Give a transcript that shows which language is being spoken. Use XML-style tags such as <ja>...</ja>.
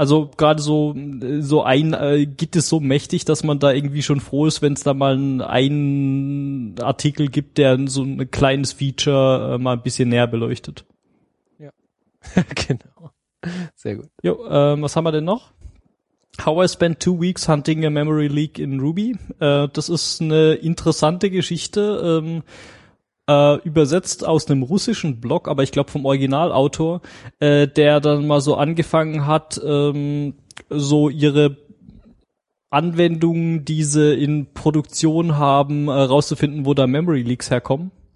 <de>Also gerade so ein Git ist so mächtig, dass man da irgendwie schon froh ist, wenn es da mal einen Artikel gibt, der so ein kleines Feature mal ein bisschen näher beleuchtet. Ja, genau. Sehr gut. Jo, was haben wir denn noch?</de> <en>How I spent 2 weeks hunting a memory leak in Ruby.</en> <de>Das ist eine interessante Geschichte, übersetzt aus einem russischen Blog, aber ich glaube vom Originalautor, der dann mal so angefangen hat, so ihre Anwendungen, die sie in Produktion haben, rauszufinden, wo da Memory Leaks herkommen.</de>